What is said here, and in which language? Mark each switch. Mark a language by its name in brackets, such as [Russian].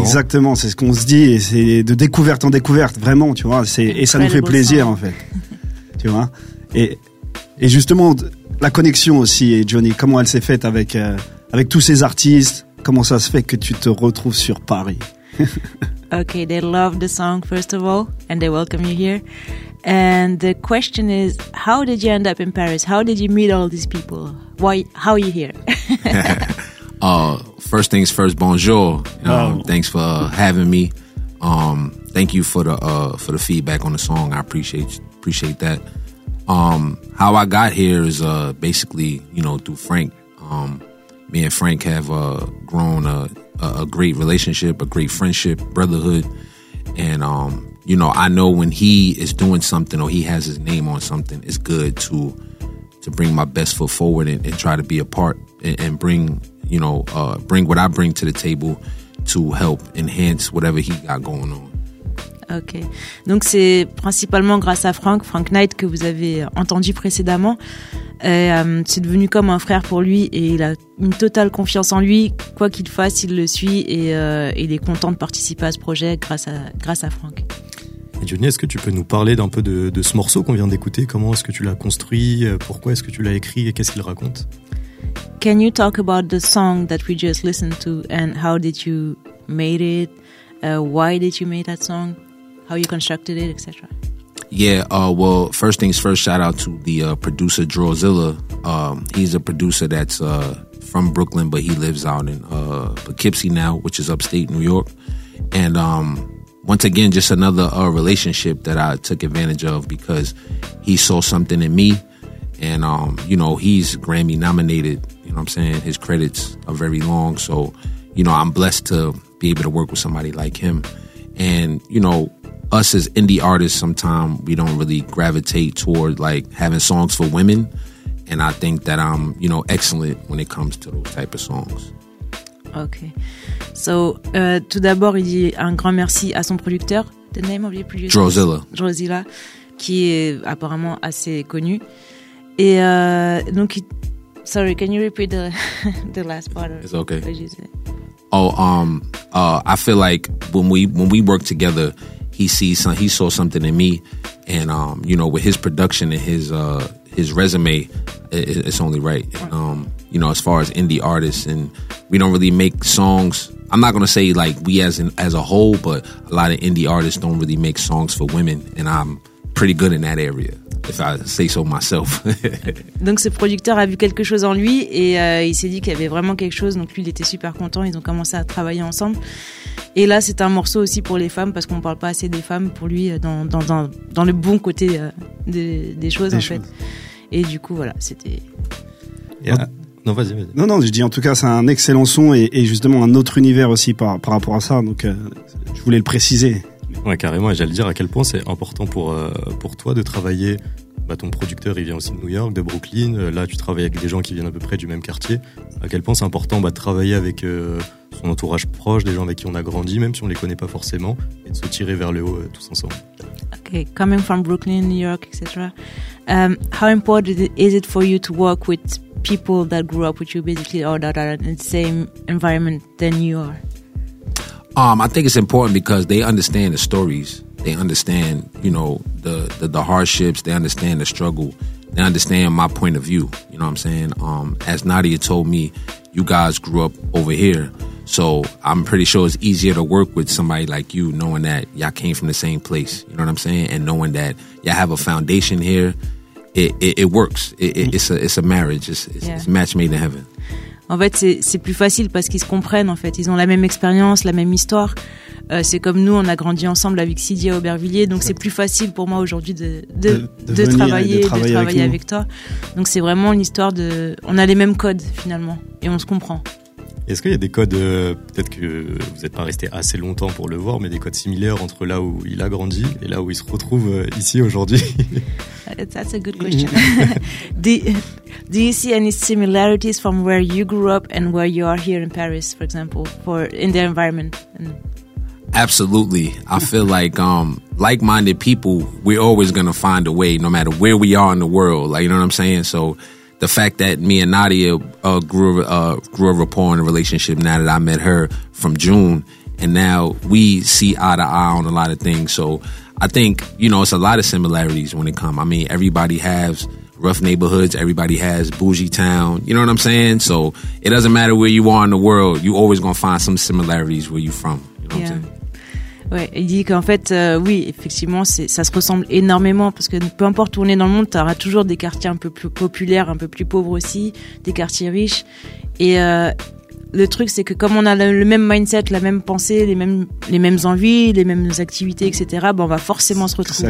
[French] Exactement, c'est ce qu'on se dit. Et c'est de découverte en découverte, vraiment, tu vois. C'est, et ça nous fait plaisir sens. En fait. Tu vois. Et justement, la connexion aussi, et Johnny, comment elle s'est faite avec, avec tous ces artistes. Comment ça se fait que tu te retrouves sur Paris? [English] Okay, they love the song, first of all, and they welcome you here. And the question is, how did you end up in Paris? How did you meet all these people? Why? How are you here? First things first, bonjour. Thanks for having me. Thank you for the feedback on the song. I appreciate that. How I got here is basically, you know, through Frank. Me and Frank have grown a great relationship, a great friendship, brotherhood. And, you know, I know when he is doing something or he has his name on something, it's good to bring my best foot forward and try to be a part and bring, you know, bring what I bring to the table to help enhance whatever he got going on. [French] Ok, donc c'est principalement grâce à Frank Knight que vous avez entendu précédemment. C'est devenu comme un frère pour lui et il a une totale confiance en lui. Quoi qu'il fasse, il le suit et il est content de participer à ce projet grâce à Frank. Et Johnny, est-ce que tu peux nous parler d'un peu de ce morceau qu'on vient d'écouter? Comment est-ce que tu l'as construit? Pourquoi est-ce que tu l'as écrit et qu'est-ce qu'il raconte? [English] Can you talk about the song that we just listened to and how did you made it? Why did you make that song? How you constructed it, etc. Yeah, well, first things first, shout out to the producer, Drawzilla. He's a producer that's from Brooklyn, but he lives out in Poughkeepsie now, which is upstate New York. And once again, just another relationship that I took advantage of because he saw something in me. And, you know, he's Grammy nominated. You know what I'm saying? His credits are very long. So, you know, I'm blessed to be able to work with somebody like him. And, you know, us as indie artists, sometimes we don't really gravitate toward like having songs for women. And I think that I'm, you know, excellent when it comes to those type of songs. Ok. [French] So, tout d'abord, il dit un grand merci à son producteur. [English] The name of the producer? Drawzilla. [French] Drawzilla, qui est apparemment assez connu. Et donc, [English] sorry, can you repeat the last part? It's okay. What you say? I feel like when we work together, he saw something in me, and you know, with his production and his resume, it's only right. And, you know, as far as indie artists, and we don't really make songs. I'm not gonna say like we as a whole, but a lot of indie artists don't really make songs for women, and I'm pretty good in that area. If I say so myself. [French] Donc ce producteur a vu quelque chose en lui et il s'est dit qu'il y avait vraiment quelque chose. Donc lui, il était super content. Ils ont commencé à travailler ensemble. Et là, c'est un morceau aussi pour les femmes parce qu'on ne parle pas assez des femmes pour lui dans le bon côté des choses, des en choses. Fait. Et du coup, voilà, c'était... Non, vas-y. Non, je dis en tout cas, c'est un excellent son et justement un autre univers aussi par rapport à ça. Donc je voulais le préciser. Ouais, carrément, et j'allais dire à quel point c'est important pour toi de travailler. Bah, ton producteur, il vient aussi de New York, de Brooklyn. Là, tu travailles avec des gens qui viennent à peu près du même quartier. À quel point c'est important de travailler avec son entourage proche, des gens avec qui on a grandi, même si on ne les connaît pas forcément, et de se tirer vers le haut tous ensemble. [English] Ok, coming from Brooklyn, New York, etc. How important is it for you to work with people that grew up with you, basically, or that are in the same environment than you are? I think it's important because they understand the stories. They understand, you know, the hardships. They understand the struggle. They understand my point of view. You know what I'm saying? As Nadia told me, you guys grew up over here. So I'm pretty sure it's easier to work with somebody like you, knowing that y'all came from the same place. You know what I'm saying? And knowing that y'all have a foundation here. It works. It's a marriage. It's match made in heaven. [French] En fait, c'est plus facile parce qu'ils se comprennent, en fait. Ils ont la même expérience, la même histoire. C'est comme nous, on a grandi ensemble avec Sidi à Aubervilliers. Donc, c'est plus facile pour moi aujourd'hui de travailler avec toi. Donc, c'est vraiment une histoire de... On a les mêmes codes, finalement. Et on se comprend. Est-ce qu'il y a des codes... peut-être que vous n'êtes pas resté assez longtemps pour le voir, mais des codes similaires entre là où il a grandi et là où il se retrouve ici aujourd'hui? [English] That's a good question. Do you see any similarities from where you grew up and where you are here in Paris, for example, for in the environment? Absolutely. I feel like like-minded people, we're always going to find a way no matter where we are in the world. Like, you know what I'm saying? So the fact that me and Nadia grew a rapport in a relationship now that I met her from June, and now we see eye to eye on a lot of things. So I think, you know, it's a lot of similarities when it comes. I mean, everybody has rough neighborhoods. Everybody has bougie town. You know what I'm saying? So it doesn't matter where you are in the world. You're always going to find some similarities where you're from. You know what I'm saying? [French] Ouais, il dit qu'en fait, oui, effectivement, ça se ressemble énormément. Parce que peu importe où on est dans le monde, tu auras toujours des quartiers un peu plus populaires, un peu plus pauvres aussi, des quartiers riches. Le truc, c'est que comme on a le même mindset, la même pensée, les mêmes envies, les mêmes activités, etc., ben on va forcément se retrouver.